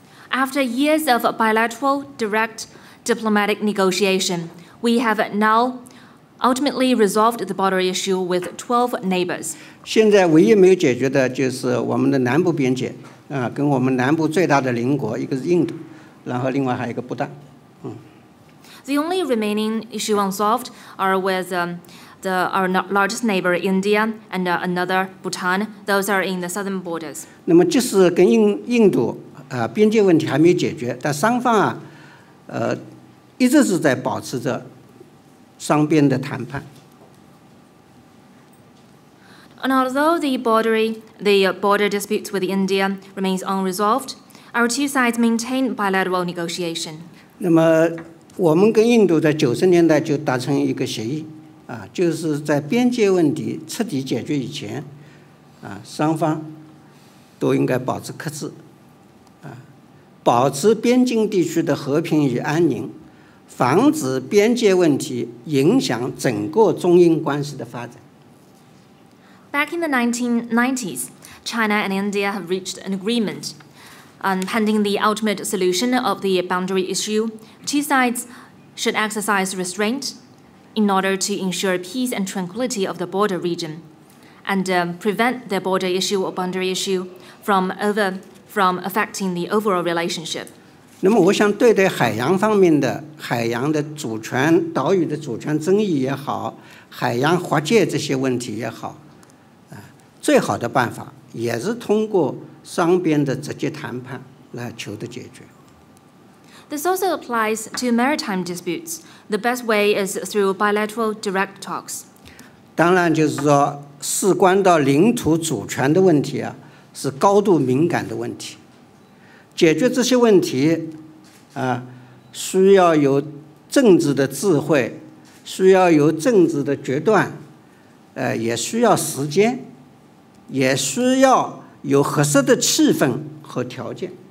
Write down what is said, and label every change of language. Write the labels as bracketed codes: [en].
[en] After years of bilateral direct diplomatic negotiation, we have now ultimately resolved the border issue with 12 neighbors. [zh] 现在唯一没有解决的就是我们的南部边界，跟我们南部最大的邻国，一个是印度，然后另外还有一个不丹。 [en] The only remaining issue unsolved are with our largest neighbor, India, and another, Bhutan. Those are in the southern borders. [zh] 那么即使跟印度边界问题还没有解决，但双方一直是在保持着双边的谈判。 [en] And although the border disputes with India remains unresolved, our two sides maintain bilateral negotiation. [zh] 那么我们跟印度在90年代就达成一个协议，就是在边界问题彻底解决以前，双方都应该保持克制，保持边境地区的和平与安宁，防止边界问题影响整个中印关系的发展。 [en] Back in the 1990s, China and India have reached an agreement. Pending the ultimate solution of the boundary issue, two sides should exercise restraint in order to ensure peace and tranquility of the border region and prevent the border issue or boundary issue from affecting the overall relationship. [zh] 那么我想对待海洋方面的海洋的主权、岛屿的主权争议也好，海洋划界这些问题也好，最好的办法也是通过双边的直接谈判来求得解决。 [en] This also applies to maritime disputes. The best way is through bilateral direct talks. [zh] 当然就是说事关到领土主权的问题是高度敏感的问题。解决这些问题需要有政治的智慧，需要有政治的决断，也需要时间，也需要有合适的气氛和条件。